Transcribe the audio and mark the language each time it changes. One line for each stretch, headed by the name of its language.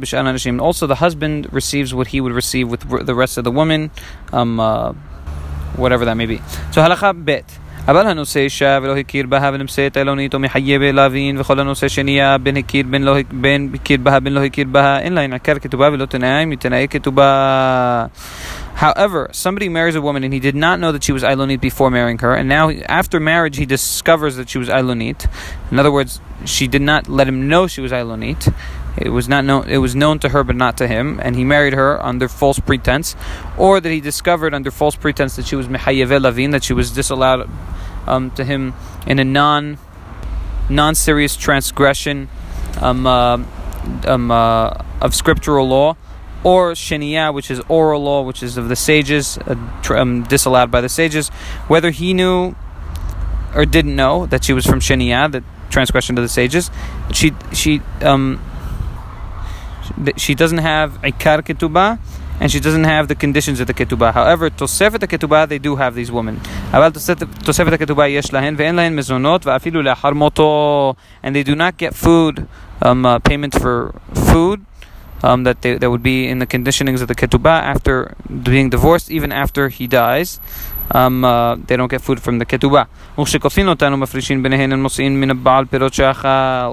English: Also, the husband receives what he would receive with the rest of the woman, whatever that may be. So halacha bet.
Hebrew: אבל הנושא אישה ולא הכיר בה ונמצא את אילונית או מחייב להבין וכל הנושא שנייה בין הכיר בין לא בין הכיר בה בין לא הכיר בה אין לה עיקר כתובה ולא תנאי מתנאי כתובה.
English: However, somebody marries a woman and he did not know that she was ailonit before marrying her, and now after marriage he discovers that she was ailonit. In other words, she did not let him know she was ailonit. It was known to her but not to him, and he married her under false pretense, or that he discovered under false pretense that she was mehayeve lavin, that she was disallowed to him in a non-serious transgression of scriptural law, or shenia, which is oral law, which is of the sages, disallowed by the sages. Whether he knew or didn't know that she was from shenia, the transgression of the sages, she doesn't have ikar ketubah, and she doesn't have the conditions of the ketubah. However, tosefet ketubah, they do have these women.
Hebrew: אבל תוספת הכתובה יש להן ואין להן מזונות ואפילו לאחר מותו.
English: And they do not get food, payment for food, that they, that would be in the conditionings of the ketubah after being divorced, even after he dies. They don't get food from the ketubah.
Hebrew: וכשכופין אותנו מפרישין ביניהן ומוסעין מן הבעל פירות שאכל.